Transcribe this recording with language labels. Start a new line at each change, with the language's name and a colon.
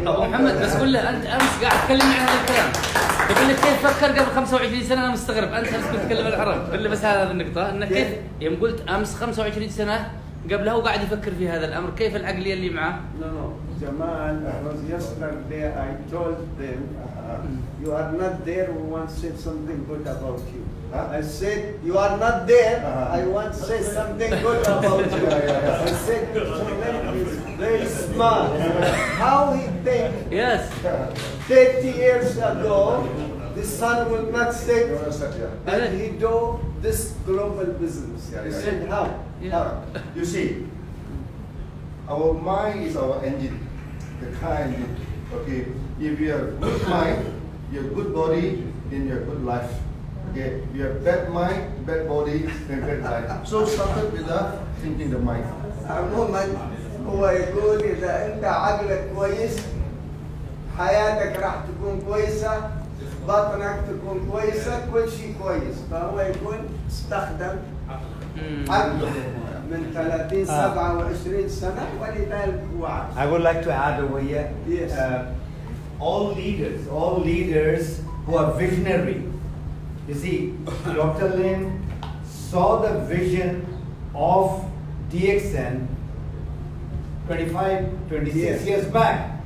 Arabic: طب محمد بس قل له أنت أمس قاعد تكلم عن هذا الكلام، تقول لك كيف فكر قبل 25 سنة؟ أنا مستغرب أنت أمس كنت تكلم العرب. قل له بس هذا النقطة إنك كيف يوم قلت أمس 25 سنة قبلها وقاعد يفكر في هذا الأمر، كيف العقلية اللي معه؟
English: Jamal, I was yesterday, I told them, you are not there, we want to say something good about you. I said, you are not there, I want to say something good about you. I said, Jamal is very smart. How he think? Yes. 30 years ago, the sun will not set, and he do this global business. He said, how? You see, our mind is our engine. The kind, okay. If you have good mind, you have good body, then you have good life. Okay. If you have bad mind, bad body, then bad life. So started with the thinking the mind.
Arabic: عموماً هو يقول إذا أنت عقلك كويس، حياتك راح تكون كويسة، بطنك تكون كويسة، كل شيء كويس. فهو يقول استخدم عقل. من 30 سنة ولذلك وعد.
English: I would like to add over here. Yes. All leaders who are visionary. You see, Dr. Lin saw the vision of DXN 25, 26 yes. years back.